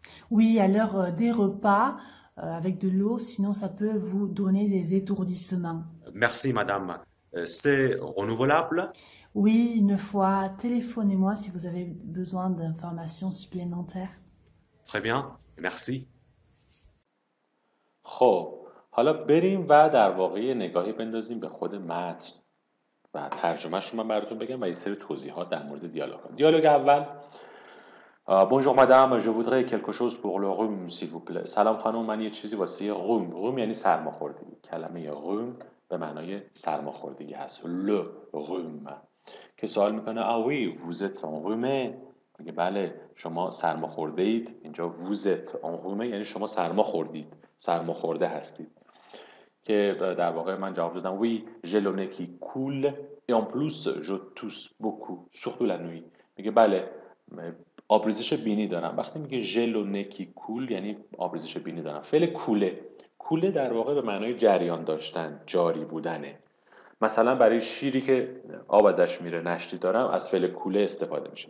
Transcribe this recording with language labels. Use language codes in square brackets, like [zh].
[fr] Oui, à l'heure des repas. Avec de l'eau, sinon ça peut vous donner des étourdissements. Merci madame. C'est renouvelable? Oui, une fois. Téléphonez-moi si vous avez besoin d'informations supplémentaires. Très bien. Merci. [fa] خب، حالا بریم و در واقع نگاهی بندازیم به خود متن و ترجمه‌شو من براتون بگم و یه سری توضیحات در مورد دیالوگ. دیالوگ اول. [fr] Bonjour madame, je voudrais quelque chose pour le rhume, s'il vous plaît. [fa] سلام خانم، من یه چیزی واسه rhume. Rhume یعنی سرماخوردگی. کلمه rhume به معنای سرماخوردگی هست. [fr] Le rhume. [fa] که سوال میکنه [fr] Ah oui, vous êtes enrhumé. [fa] میگه بله، شما سرماخورده اید. اینجا [fr] vous êtes enrhumé [fa] یعنی شما سرماخوردید. سرماخورده هستید. که در واقع من جواب دادم [fr] Oui, j'ai le nez qui coule. Et en plus, je tousse beaucoup. Surtout la nuit. [fa] میگه بله، آبریزش بینی دارم. وقتی میگه ژلونکی کول یعنی آبریزش بینی دارم. فعل کوله. کوله در واقع به معنای جریان داشتن، جاری بودنه. مثلا برای شیری که آب ازش میره نشتی دارم از فعل کوله استفاده میشه.